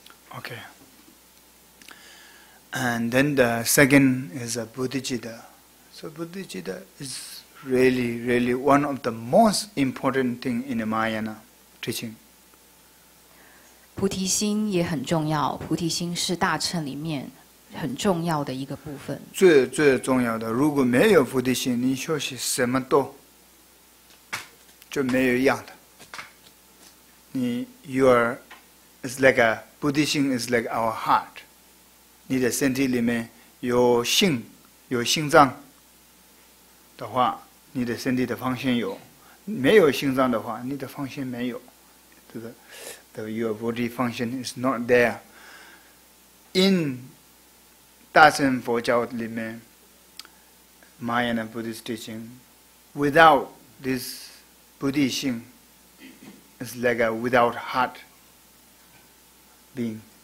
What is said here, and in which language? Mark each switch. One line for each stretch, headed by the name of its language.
English: Okay, and then the second is a bodhicitta. So bodhicitta is really, really one of the most important thing in the Mahayana teaching.
Chinese: 菩提心也很重要，菩提心是大乘里面很重要的一个部分。最最重要的，如果没有菩提心，你修习什么都就没有一样的。
English: 你 your is like a 菩提心 is like our heart。
Chinese: 你的身体里面有心，有心脏的话，你的身体的方向有；没有心脏的话，你的方向没有，对不对？
English: So your body function is not there. In
Chinese: 大乘佛教里面
English: Mahayana Buddhist teaching, without this Bodhi心 is like a without heart being.